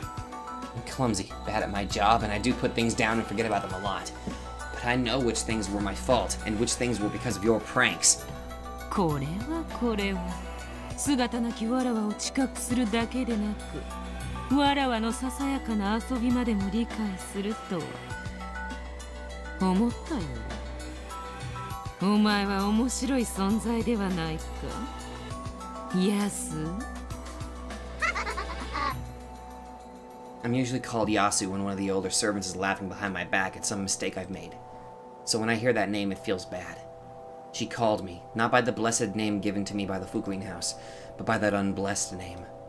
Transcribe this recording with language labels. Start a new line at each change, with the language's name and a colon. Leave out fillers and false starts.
English: I'm clumsy, bad at my job, and I do put things down and forget about them a lot. But I know which things were my fault, and which things were because of your pranks.
Japanese: これはこれは姿なきわらわを近くするだけでなく、わらわのささやかな遊びまでも理解すると思ったよ。お前は面白い存在ではないか、ヤス。
English: I'm usually called Yasu when one of the older servants is laughing behind my back at some mistake I've made. So when I hear that name, it feels bad. She called me, not by the blessed name given to me by the Fuquin House, but by that unblessed name.